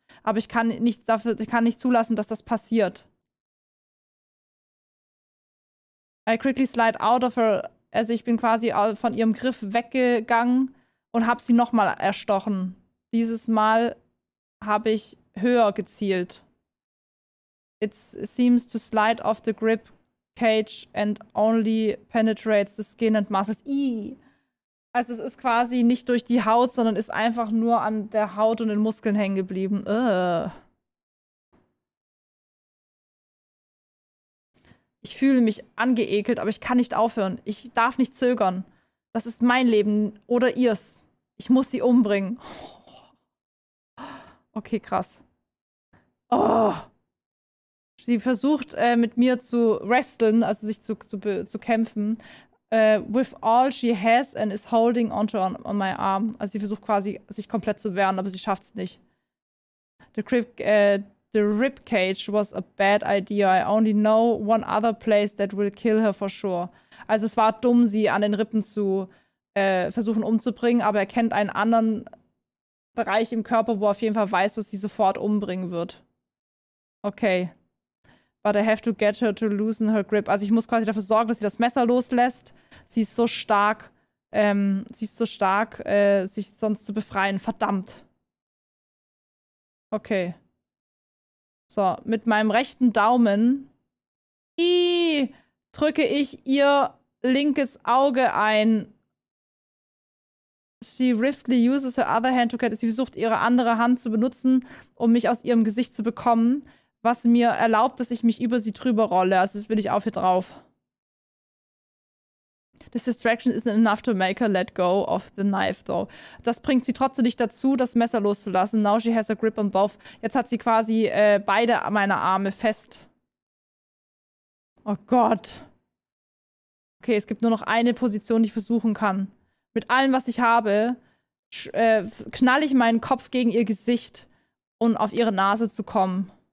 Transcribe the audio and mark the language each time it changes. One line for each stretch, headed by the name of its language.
German: Aber ich kann nicht dafür, ich kann nicht zulassen, dass das passiert.
English: I quickly slide out of her,
German: also ich bin quasi von ihrem Griff weggegangen und habe sie nochmal erstochen. Dieses Mal habe ich höher gezielt.
English: It seems to slide off the grip cage and only penetrates the skin and muscles.
German: Also es ist quasi nicht durch die Haut, sondern ist einfach nur an der Haut und den Muskeln hängen geblieben. Ich fühle mich angeekelt, aber ich kann nicht aufhören. Ich darf nicht zögern. Das ist mein Leben oder ihrs. Ich muss sie umbringen. Okay, krass. Oh. Sie versucht, mit mir zu wresteln, also sich zu kämpfen.
English: With all she has and is holding onto on my arm.
German: Also sie versucht quasi, sich komplett zu wehren, aber sie schafft es nicht.
English: The ribcage was a bad idea. I only know one other place that will kill her for sure.
German: Also es war dumm, sie an den Rippen zu versuchen umzubringen, aber er kennt einen anderen Bereich im Körper, wo er auf jeden Fall weiß, was sie sofort umbringen wird. Okay.
English: But I have to get her to loosen her grip.
German: Also ich muss quasi dafür sorgen, dass sie das Messer loslässt. Sie ist so stark, sich sonst zu befreien. Verdammt. Okay. So, mit meinem rechten Daumen drücke ich ihr linkes Auge ein.
English: She swiftly uses her other hand to get...
German: Sie versucht, ihre andere Hand zu benutzen, um mich aus ihrem Gesicht zu bekommen. Was mir erlaubt, dass ich mich über sie drüber rolle. Also jetzt bin ich auf ihr drauf.
English: This distraction isn't enough to make her let go of the knife, though.
German: Das bringt sie trotzdem nicht dazu, das Messer loszulassen.
English: Now she has a grip on both.
German: Jetzt hat sie quasi beide meine Arme fest. Oh Gott. Okay, es gibt nur noch eine Position, die ich versuchen kann. Mit allem, was ich habe, knall ich meinen Kopf gegen ihr Gesicht, um auf ihre Nase zu kommen.